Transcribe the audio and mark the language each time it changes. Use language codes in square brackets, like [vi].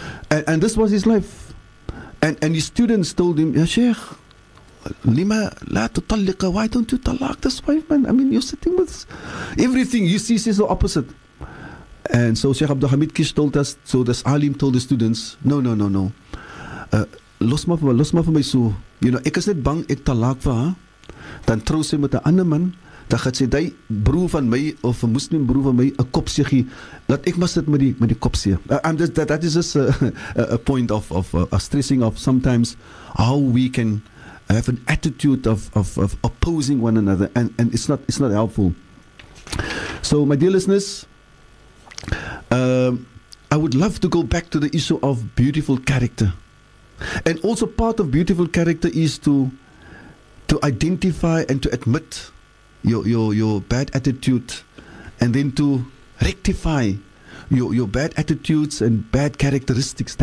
[en] And this was his life. And his students told him, ya Sheikh, [ar] Lima la tutalliqa, [en] why don't you talak this wife, man? I mean, you're sitting with everything you see is the opposite. And so Sheikh Abdul Hamid Kish told us, so this alim told the students, no. [af] Los ma van my so. You know, ek is net bang ek talak vir haar, dan trou sy met 'n ander man, dan gaan sy die broer van my of 'n moslim broer van my 'n kop se gee. Laat ek maar sit met die kop se. [en] That is just a point of a stressing of sometimes how we can have an attitude of opposing one another, and it's not helpful. So, my dear listeners, I would love to go back to the issue of beautiful character, and also part of beautiful character is to identify and to admit your bad attitude, and then to rectify your bad attitudes and bad characteristics.